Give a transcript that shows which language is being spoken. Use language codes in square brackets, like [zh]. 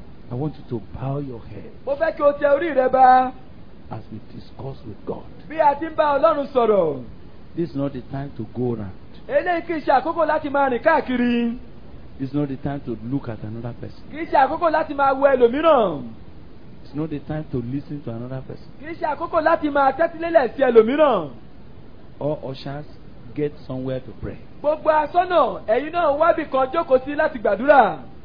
[en] I want you to bow your head. [yo] Mo fẹ́ kí o tẹ orí rẹ ba. [en] As we discuss with God. [yo] Bí a ti ń bá Ọlọ́run sọ̀rọ̀. [en] This is not the time to go around. [yo] Eléyìí kì í ṣe àkókò láti máa rìn káàkiri. [en] It's not the time to look at another person. [yo] Kì í ṣe àkókò láti máa wo ẹlòmíràn. [en] It's not the time to lis ten to another person. [yo] Kì í ṣe àkókò láti máa tẹ́tí lélẹ̀ sí ẹlòmíràn. [en] All ushers, get somewhere to pray. [yo] Gbogbo asọ́nà ẹ̀yin náà wá bí kan jókòó sí láti gbàdúrà.